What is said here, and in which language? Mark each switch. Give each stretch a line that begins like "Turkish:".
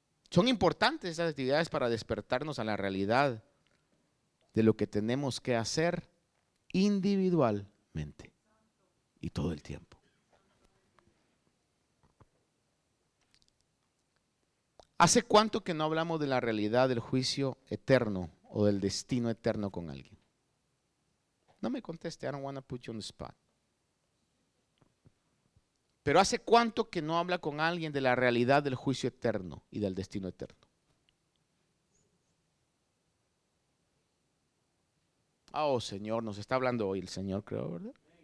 Spanish: Son importantes esas actividades para despertarnos a la realidad de lo que tenemos que hacer individualmente y todo el tiempo. ¿Hace cuánto que no hablamos de la realidad del juicio eterno o del destino eterno con alguien? No me conteste,
English: I don't want to put you on the spot.
Spanish: Pero ¿hace cuánto que no habla con alguien de la realidad del juicio eterno y del destino eterno? Oh, Señor, nos está hablando hoy el Señor, creo, ¿verdad?